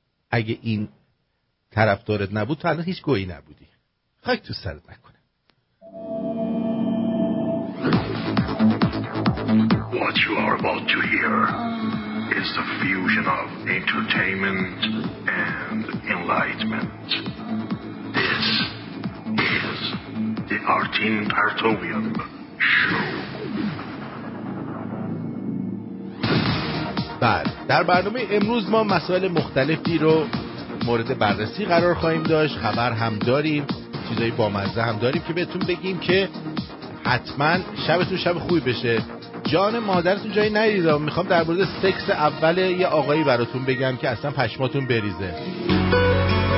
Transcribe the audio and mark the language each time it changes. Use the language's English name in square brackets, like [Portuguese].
[Persian] اگه این طرف دارت نبود تو الان هیچ گویی نبودی، خاک تو سرت نکنن. [English] What you are about to hear is the fusion of entertainment and enlightenment. This is the Artin Partovian show. [Persian] بعد در برنامه امروز ما مسائل مختلفی رو مورد بررسی قرار خواهیم داشت، خبر هم داریم، چیزای بامزه هم داریم که بهتون بگیم که حتما شبتون شب خوبی بشه. جان مادرتون جایی ندیده، میخوام در مورد سکس اول یه آقایی براتون بگم که اصلا پشماتون بریزه.